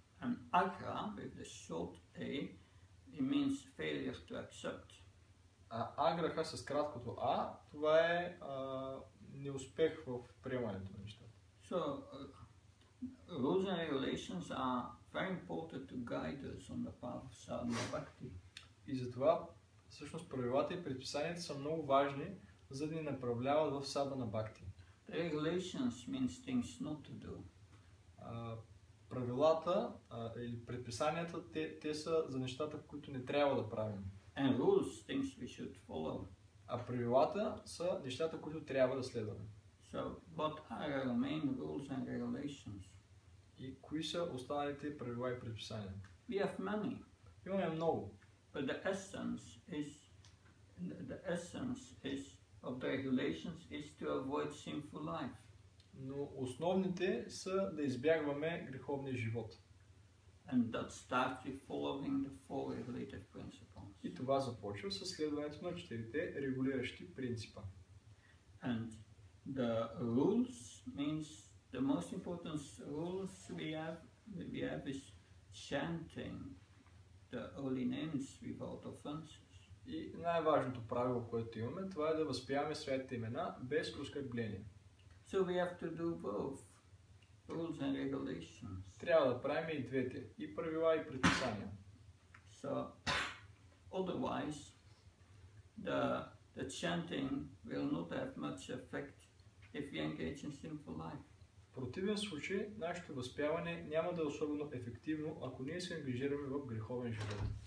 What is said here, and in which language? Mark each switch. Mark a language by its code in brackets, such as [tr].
[en] And agra with the short a it means failure to accept. [bg] А аграха с краткото а, това е неуспех в приемането на нещата. [en] So rules and regulations are very important to guide us on the path of sadhana bhakti. [bg] И затова всъщност правилата и предписанията са много важни, за да ни направляват в садхана бхакти. [en] Regulations means things not to do. [bg] Правилата или предписанията, те са за нещата, които не трябва да правим. [en] And rules, things we should follow. [bg] А правилата са нещата, които трябва да следваме. [en] So, what are the main rules and regulations? [bg] И кои са останалите правила и предписания? [en] We have many. [bg] Имаме много. [en] But the essence is of the regulations is to avoid sinful life. [bg] Но основните са да избягваме греховния живот. [en] And that starts with following the four regulative principles. [bg] И това започва с следването на четирите регулиращи принципа. [en] And the rules means the most important rules we have is chanting the holy names without offenses. [bg] И най-важното правило, което имаме, това е да възпяваме светите имена без оскърбление. [en] So we have to do both rules and regulations. [bg] Трябва да правим и двете, и правила, и предписания. [en] So otherwise the chanting will not have much effect if we engage in sinful life. [bg] В противен случай нашето възпяване няма да е особено ефективно, ако ние се ангажираме в греховен живот.